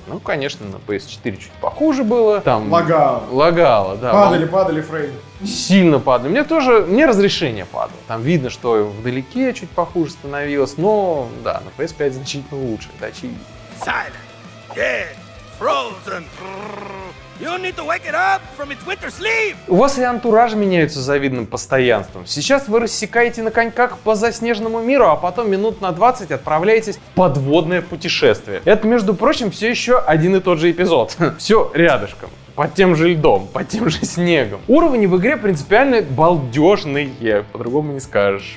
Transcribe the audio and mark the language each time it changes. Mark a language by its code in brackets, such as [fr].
[ru] Ну, конечно, на PS4 чуть похуже было. Там лагало. Лагало, да. Падали, падали фрейм. Сильно падали. Мне разрешение падало. Там видно, что вдалеке чуть похуже становилось. Но, да, на PS5 значительно лучше. Это очевидно. [en] Silent. Dead. Frozen. You need to wake it up from its winter sleep. [ru] У вас и антураж меняется завидным постоянством. Сейчас вы рассекаете на коньках по заснеженному миру, а потом минут на 20 отправляетесь в подводное путешествие. Это, между прочим, все еще один и тот же эпизод. Все рядышком. под тем же льдом, под тем же снегом. Уровни в игре принципиально балдежные, по-другому не скажешь.